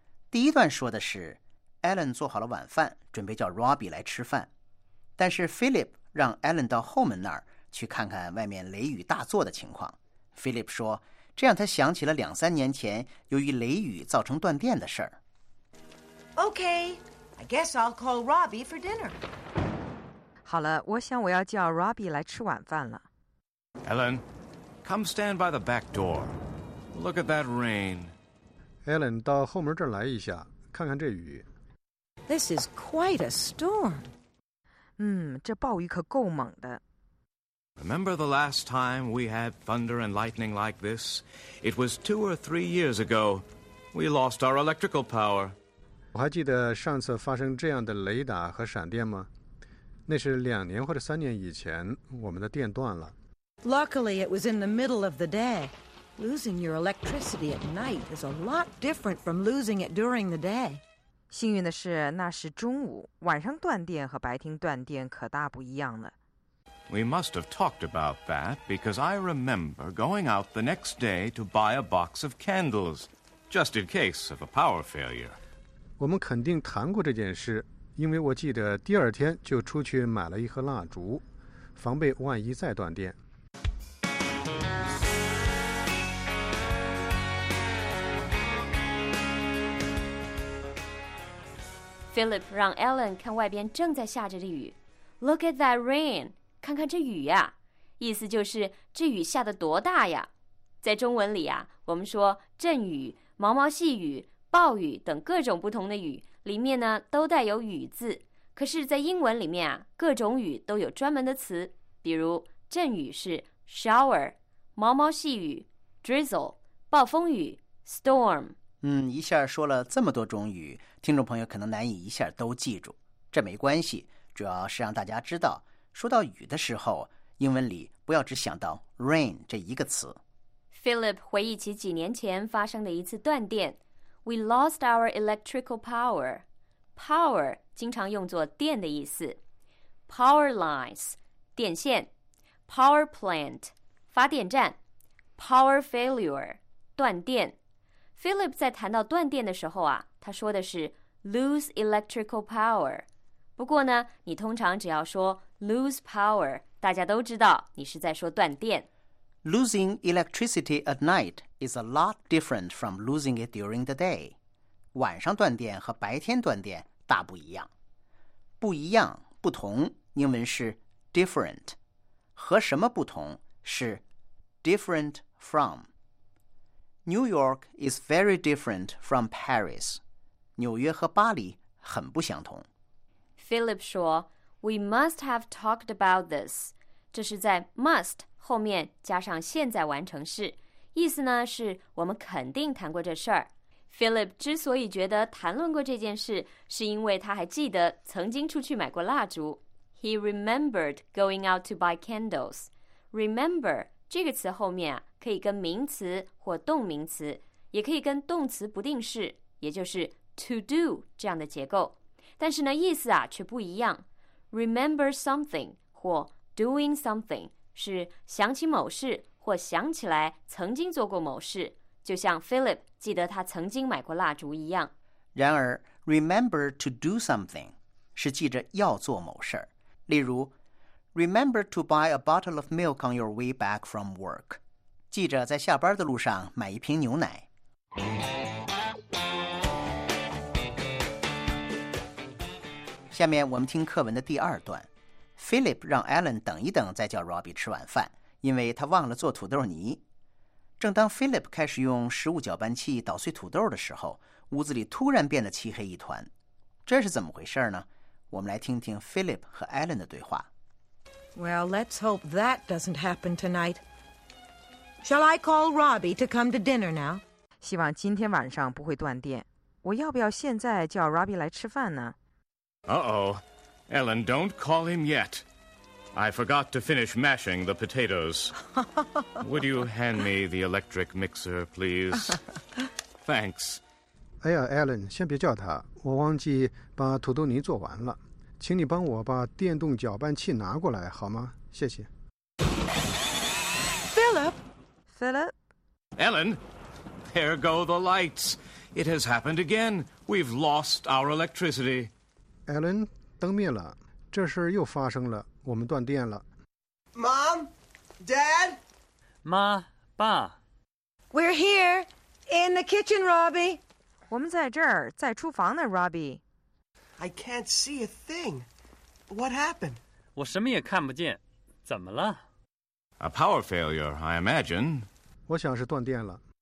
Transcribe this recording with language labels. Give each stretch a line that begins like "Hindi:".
Chinese: 第一段说的是 Alan 做好了晚饭，准备叫 Robbie 来吃饭，但是 Philip 让 Alan 到后门那儿去看看外面雷雨大作的情况。 Philip 说这样他想起了两三年前由于雷雨造成断电的事儿。
English: OK, I guess I'll call Robbie for dinner.
Chinese: 好了，我想我要叫 Robbie 来吃晚饭了。
English: Alan, come stand by the back door. Look at that rain.
Chinese: Alan, 到后门这儿来一下，看看这雨。
English: This is quite a storm.
Chinese: 这暴雨可够猛的。
English: Remember the last time we had thunder and lightning like this? It was 2 or 3 years ago. We lost our electrical power.
Chinese: 我还记得上次发生这样的雷打和闪电吗？那是2年或者3年以前，我们的电断了。
English: Luckily, it was in the middle of the day. Losing your electricity at night is a lot different from losing it during the day.
Chinese: 幸运的是，那是中午，晚上断电和白天断电可大不一样了。
English: We must have talked about that because I remember going out the next day to buy a box of candles, just in case of a power failure.
Chinese: 我们肯定谈过这件事，因为我记得第二天就出去买了一盒蜡烛，防备万一再断电。 Philip 让 Ellen 看外边正在下着的雨 ，
English: Look at that rain.
Chinese: 看看这雨呀，意思就是这雨下得多大呀。在中文里啊，我们说阵雨、毛毛细雨、暴雨等各种不同的雨，里面呢都带有雨字。可是在英文里面啊，各种雨都有专门的词，比如阵雨是 shower， 毛毛细雨 drizzle， 暴风雨 storm。一下说了这么多种雨，听众朋友可能难以一下都记住，这没关系，主要是让大家知道说到雨的时候，英文里不要只想到 rain 这一个词。 Philip 回忆起几年前发生的一次断电。
English: We lost our electrical power.
Chinese: Power 经常用作电的意思。 Power lines 电线。 Power plant 发电站。 Power failure 断电。 Philip 在谈到断电的时候啊，他说的是 lose electrical power。不过呢，你通常只要说lose power， 大家都知道你是在说断电。
English: Losing electricity at night is a lot different from losing it during the day.
Chinese: 晚上断电和白天断电大不一样。不一样，不同，英文是 different。和什么不同是 different from。
English: New York is very different from Paris.
Chinese: 纽约和巴黎很不相同。
English: Philip 说We must have talked about this.
Chinese: 这是在 must 后面加上现在完成式，意思呢是我们肯定谈过这事儿。 Philip 之所以觉得谈论过这件事，是因为他还记得曾经出去买过蜡烛。
English: He remembered going out to buy candles.
Chinese: Remember 这个词后面啊，可以跟名词或动名词，也可以跟动词不定式，也就是 to do 这样的结构，但是呢，意思啊却不一样。 Remember something 或 doing something 是想起某事或想起来曾经做过某事，就像 Philip 记得他曾经买过蜡烛一样。然而
English: remember to do something 是记着要做某事，例如 remember to buy a bottle of milk on your way back from work，
Chinese: 记着在下班的路上买一瓶牛奶。下面我们听课文的第二段。Philip 让 Alan 等一等再叫 Robbie 吃晚饭，因为他忘了做土豆泥。正当 Philip 开始用食物搅拌器捣碎土豆的时候，屋子里突然变得漆黑一团，这是怎么回事呢？我们来听听 Philip 和 Alan 的对话。
English: Well, let's hope that doesn't happen tonight. Shall I call Robbie to come to dinner now?
Chinese: 希望今天晚上不会断电。我要不要现在叫 Robbie 来吃饭呢？
English: Uh-oh. Ellen, don't call him yet. I forgot to finish mashing the potatoes. Would you hand me the electric mixer, please? Thanks.
Chinese: 哎呀 ，Alan， 先别叫他，我忘记把土豆泥做完了，请你帮我把电动搅拌器拿过来好吗？谢谢。
English: Philip. Ellen, there go the lights. It has happened again. We've lost our electricity.
Chinese: Ellen, 灯灭了，这事又发生了，我们断电了。
English: Mom, Dad,
Chinese: 妈，爸。
English: We're here in the kitchen, Robbie.
Chinese: 我们在这儿，在厨房呢 ，Robbie.
English: I can't see a thing. What happened?
Chinese: 我什么也看不见，怎么了？
English: A power failure, I imagine.
Chinese: 我想是断电了。